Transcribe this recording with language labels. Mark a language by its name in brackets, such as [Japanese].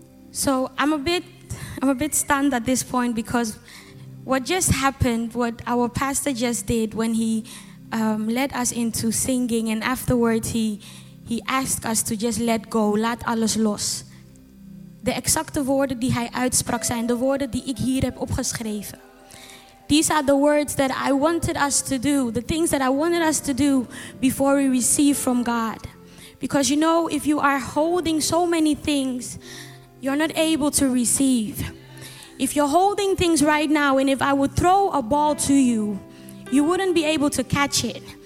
[English] So I'm a bit stunned at this point because what just happened, what our pastor just did when he led us into singing, and afterwards he asked us to just let go, [Dutch] laat alles los. De exacte woorden die hij uitsprak zijn de woorden die ik hier heb opgeschreven. [English] These are the words that I wanted us to do, the things that I wanted us to do before we receive from God. Because you know, if you are holding so many things, you're not able to receive. If you're holding things right now, and if I would throw a ball to you, you wouldn't be able to catch it.